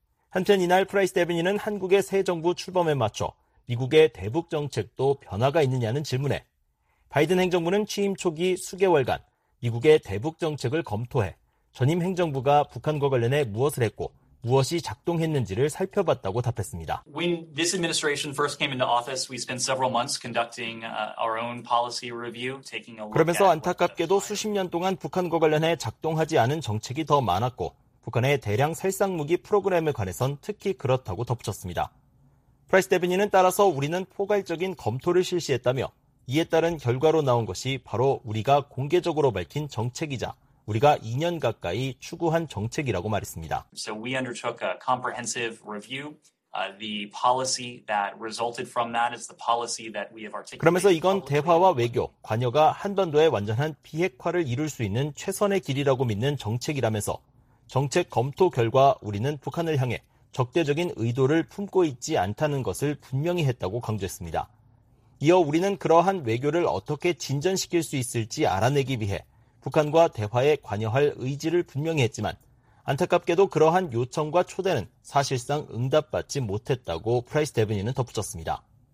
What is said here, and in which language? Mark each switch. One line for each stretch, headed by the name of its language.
Korean: 한편 이날 프라이스 대변인은 한국의 새 정부 출범에 맞춰 미국의 대북 정책도 변화가 있느냐는 질문에 바이든 행정부는 취임 초기 수개월간 미국의 대북 정책을 검토해 전임 행정부가 북한과 관련해 무엇을 했고 무엇이 작동했는지를 살펴봤다고 답했습니다.
English: When this administration first came into office, we spent several months conducting our own policy review, taking a look.
Korean: 그러면서 안타깝게도 수십 년 동안 북한과 관련해 작동하지 않은 정책이 더 많았고 북한의 대량 살상무기 프로그램에 관해선 특히 그렇다고 덧붙였습니다. 프라이스 대변인은 따라서 우리는 포괄적인 검토를 실시했다며 이에 따른 결과로 나온 것이 바로 우리가 공개적으로 밝힌 정책이자 우리가 2년 가까이 추구한 정책이라고 말했습니다.
English: So we undertook a comprehensive review. The policy that resulted from that is the policy that we have articulated.
Korean: 그러면서 이건 대화와 외교, 관여가 한반도의 완전한 비핵화를 이룰 수 있는 최선의 길이라고 믿는 정책이라면서 정책 검토 결과 우리는 북한을 향해 적대적인 의도를 품고 있지 않다는 것을 분명히 했다고 강조했습니다. 이어 우리는 그러한 외교를 어떻게 진전시킬 수 있을지 알아내기 위해 북한과 대화에 관여할 의지를 분명히 했지만 안타깝게도 그러한 요청과 초대는 사실상 응답받지 못했다고 프라이스 대변인은 덧붙였습니다.